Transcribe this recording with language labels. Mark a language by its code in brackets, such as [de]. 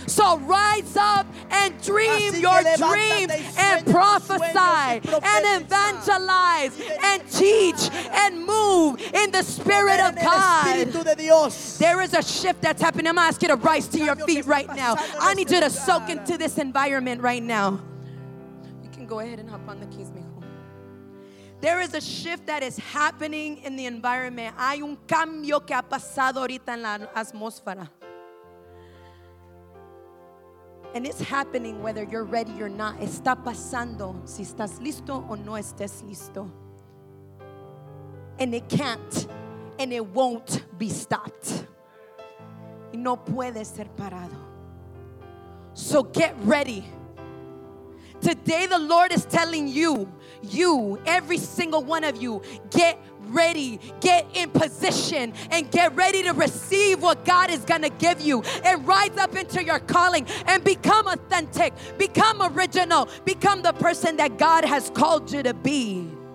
[en] So rise up and dream your dream and prophesy and evangelize and teach and move in the Spirit of God. There is a shift that's happening. I'm going to ask you to rise to your feet right now. I need you to soak into this environment right now. You can go ahead and hop on the keys, mijo. There is a shift that is happening in the environment. [es] Hay un cambio que ha pasado ahorita en la atmósfera. [en] And it's happening whether you're ready or not. [es] Está pasando si estás listo o no estés listo. [en] And it can't and it won't be stopped. [es] Y no puede ser parado. [en] So get ready. Today the Lord is telling you, you, every single one of you, get ready, get in position, and get ready to receive what God is going to give you, and rise up into your calling, and become authentic, become original, become the person that God has called you to be.